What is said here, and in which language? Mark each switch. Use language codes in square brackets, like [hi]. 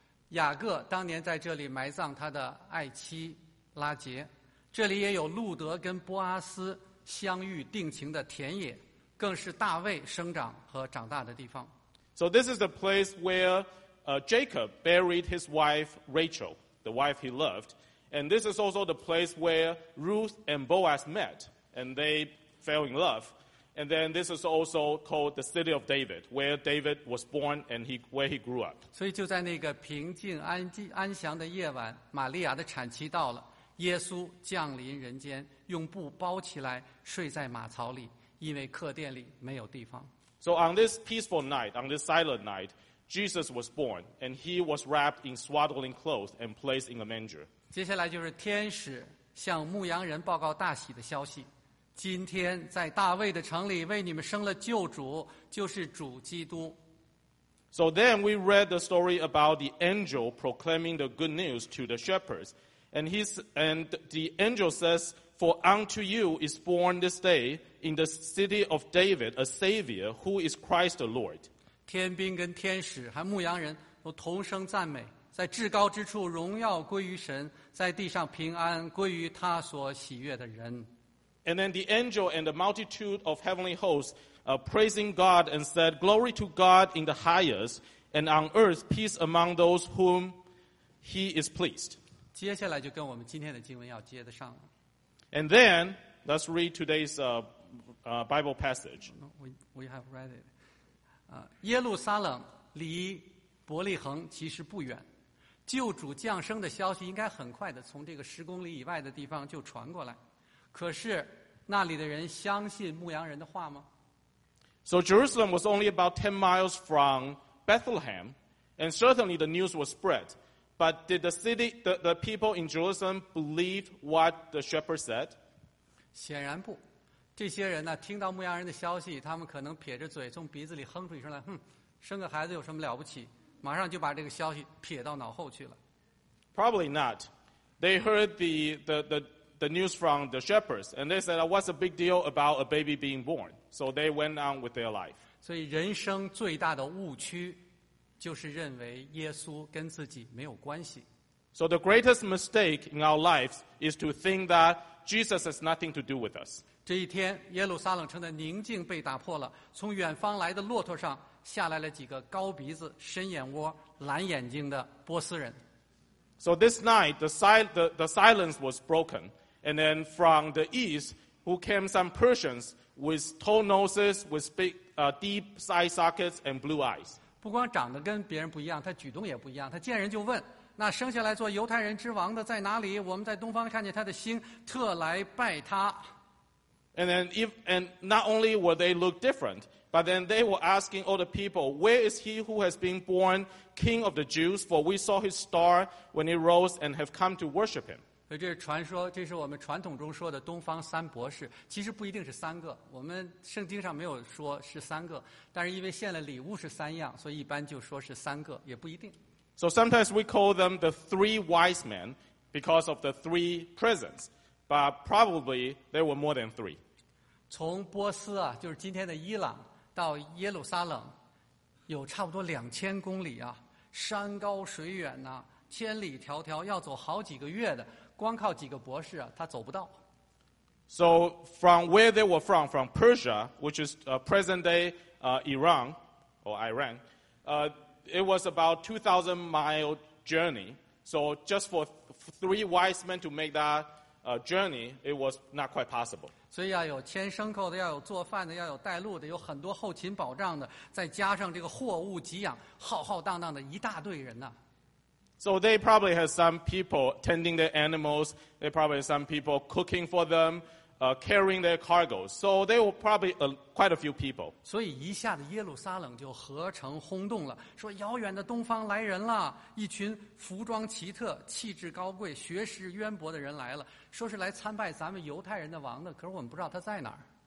[zh] 雅各当年在这里埋葬他的爱妻拉杰，这里也有路德跟波阿斯相遇定情的田野，更是大卫生长和长大的地方。 [en] So this is the place where Jacob buried his wife Rachel, the wife he loved, and this is also the place where Ruth and Boaz met, and they fell in love. And then this is also called the city of David, where David was born and where he grew up. [zh] 所以就在那个平静安详的夜晚，玛利亚的产期到了，耶稣降临人间，用布包起来，睡在马槽里，因为客店里没有地方。 [en] So on this peaceful night, on this silent night, Jesus was born, and he was wrapped in swaddling clothes and placed in a manger. [zh] 接下来就是天使向牧羊人报告大喜的消息。今天在大卫的城里为你们生了救主，就是主基督。 [en] So then we read the story about the angel proclaiming the good news to the shepherds. And the angel says, For unto you is born this day in the city of David a Savior who is Christ the Lord. [zh] 天兵跟天使还牧羊人都同声赞美，在至高之处荣耀归于神，在地上平安归于他所喜悦的人。 [en] And then the angel and the multitude of heavenly hosts praising God and said, Glory to God in the highest, and on earth peace among those whom he is pleased. [zh] 接下来就跟我们今天的经文要接得上了。 [en] And then, let's read today's Bible passage. We have read it. [zh] 耶路撒冷离伯利恒其实不远，救主降生的消息应该很快的从这个十公里以外的地方就传过来。可是那里的人相信牧羊人的话吗？ [en] So Jerusalem was only about 10 miles from Bethlehem, and certainly the news was spread. But did the people in Jerusalem believe what the shepherd said? [zh] 显然不。这些人呢，听到牧羊人的消息，他们可能撇着嘴，从鼻子里哼出一声来，哼，生个孩子有什么了不起？马上就把这个消息撇到脑后去了。 [en] Probably not. They heard the news from the shepherds, and they said, what's the big deal about a baby being born? So they went on with their life. [zh] 所以人生最大的误区就是认为耶稣跟自己没有关系。 [en] So the greatest mistake in our lives is to think that Jesus has nothing to do with us. [zh] 这一天，耶路撒冷城的宁静被打破了，从远方来的骆驼上下来了几个高鼻子、深眼窝、蓝眼睛的波斯人。 [en] So this night, the silence was broken. And then from the east, who came some Persians with tall noses, with big, deep eye sockets and blue eyes. [zh] 不光长得跟别人不一样，他举动也不一样。他见人就问，那生下来做犹太人之王的在哪里？我们在东方看见他的星，特来拜他。 [en] And not only were they look different, but then they were asking all the people, where is he who has been born king of the Jews? For we saw his star when he rose and have come to worship him. [zh] 所以这是传说，这是我们传统中说的东方三博士。其实不一定是三个，我们圣经上没有说是三个，但是因为献了礼物是三样，所以一般就说是三个，也不一定。 [en] So sometimes we call them the three wise men because of the three presents. But probably there were more than three. [zh] 从波斯啊，就是今天的伊朗，到耶路撒冷，有差不多2000公里啊，山高水远呐，千里迢迢，要走好几个月的，光靠几个博士啊，他走不到。 [en] So from where they were from Persia, which is present day Iran or Iran, it was about 2,000-mile journey. So just for three wise men to make that. Journey, it was not quite possible. [zh] 所以要有牵牲口的，要有做饭的，要有带路的，有很多后勤保障的，再加上这个货物给养，浩浩荡荡的一大队人呢。 [en] So they probably had some people tending their animals. They probably had some people cooking for them, carrying their cargoes. So they were probably quite a few people. [zh] 所以一下子耶路撒冷就合成轰动了，说遥远的东方来人了，一群服装奇特、气质高贵、学识渊博的人来了。说是来参拜咱们犹太人的王的，可是我们不知道他在哪儿。